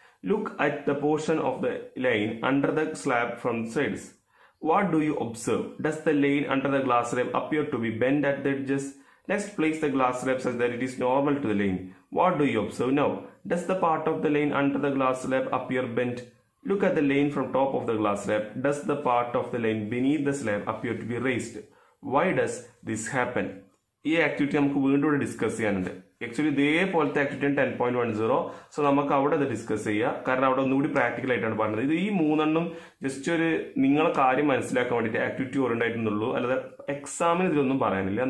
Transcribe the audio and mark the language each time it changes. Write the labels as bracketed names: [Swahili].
[English] Look at the portion of the line under the slab from sides. What do you observe? Does the line under the glass slab appear to be bend at the edges? Next, place the glass slab such that it is normal to the line. What do you observe now? Does the part of the line under the glass slab appear bend? Look at the lane from top of the glass slab. Does the part of the lane beneath the slab appear to be raised? Why does this happen? [Malayalam] ഈ activity നമുക്ക് വീണ്ടും കൂടെ discuss ചെയ്യാനുണ്ട്. Actually ഇതേപോലത്തെ ആക്ടിവിറ്റിയാണ് 10.10. So നമുക്ക് അവിടെ അത് discuss ചെയ്യാം, കാരണം അവിടെ ഒന്നുകൂടി പ്രാക്ടിക്കൽ ആയിട്ടാണ് പറഞ്ഞത്. ഇത് ഈ മൂന്നെണ്ണം ജസ്റ്റ് ഒരു നിങ്ങളെ കാര്യം മനസ്സിലാക്കാൻ വേണ്ടിയിട്ട് ആക്ടിവിറ്റി ഓറിയന്റായിട്ടുള്ളൂ, അല്ലാതെ എക്സാമിന് ഇതിലൊന്നും പറയാനില്ല.